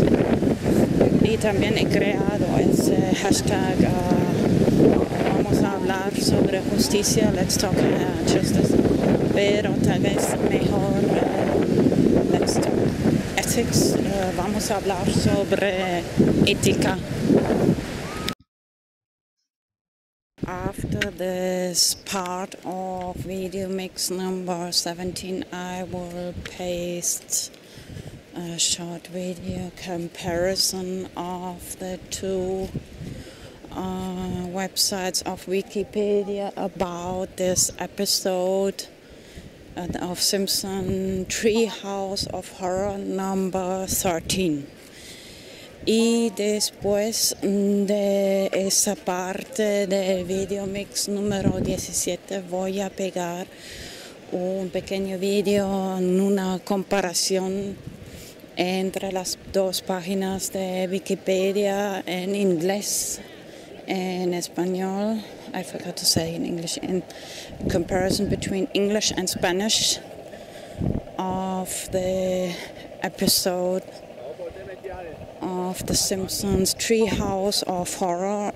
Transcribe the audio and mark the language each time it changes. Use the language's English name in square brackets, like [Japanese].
[Spanish] Y también he creado ese hashtag, vamos a hablar sobre justicia, [English] Let's Talk Justice, [Spanish] pero tal vez mejor, [English] Let's Talk Ethics, [Spanish] vamos a hablar sobre ética. [English] After this part of video mix number 17, I will paste a short video comparison of the two websites of Wikipedia about this episode of Simpson Treehouse of Horror number 13. [Spanish] Y después de esa parte del VideoMix número 17 voy a pegar un pequeño video en una comparación entre las dos páginas de Wikipedia en inglés, en español. [English] I forgot to say in English, in comparison between English and Spanish of the episode of The Simpsons Treehouse of Horror.